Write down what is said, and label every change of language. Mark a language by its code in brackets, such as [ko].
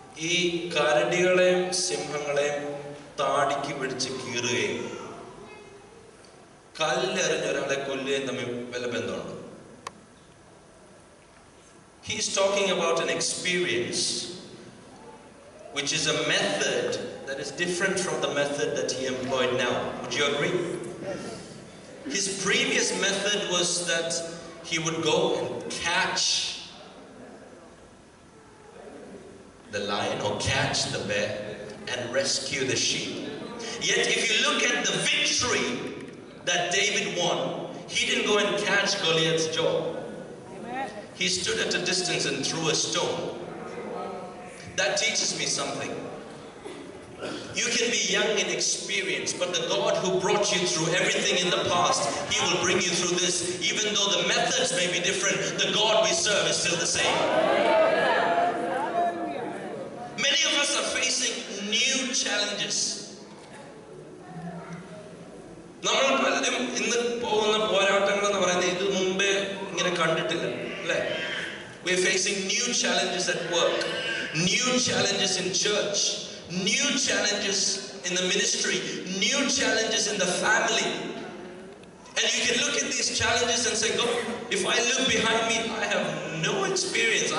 [ml] ഈ കരടികളെയും സിംഹങ്ങളെയും താടിക്ക് പിടിച്ച് കീറുകയും കല്ലെറിഞ്ഞ ഒരാളെ കൊല്ലുകയും തമ്മിൽ വല്ല ബന്ധമുണ്ട്? [en] He is talking about an experience which is a method that is different from the method that he employed now. Would you agree? His previous method was that he would go and catch the lion or catch the bear and rescue the sheep. Yet if you look at the victory that David won, he didn't go and catch Goliath's jaw. He stood at a distance and threw a stone. That teaches me something. You can be young in experience, but the God who brought you through everything in the past, He will bring you through this. Even though the methods may be different, the God we serve is still the same. Many of us are facing new challenges. [ml] നമ്മൾ പലരും ഇന്ന് പോകുന്ന പോരാട്ടങ്ങൾ എന്ന് പറയുന്നത് ഇത് മുമ്പേ ഇങ്ങനെ കണ്ടിട്ടില്ല അല്ലേ? [en] We're facing new challenges at work, new challenges in church, new challenges in the ministry, new challenges in the family. And you can look at these challenges and say, God, if I look behind me, I have no experience.